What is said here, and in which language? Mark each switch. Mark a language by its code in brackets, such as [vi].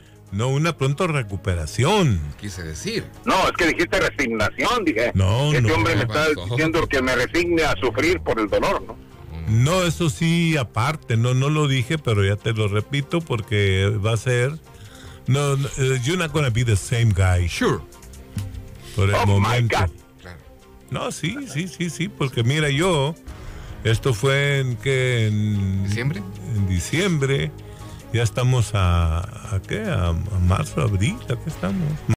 [es] No, una pronta recuperación. Quise decir. No, es que dijiste resignación, dije. No, este hombre me está diciendo que me resigne a sufrir por el dolor, ¿no? No, eso sí, aparte, no lo dije, pero ya te lo repito porque va a ser. [en] No, you're not gonna be the same guy. Sure. [es] Por el momento. [en] My God. [es] No, sí, porque mira, yo, esto fue en qué. En diciembre. En diciembre, ya estamos a qué, a marzo, abril, ¿a qué estamos?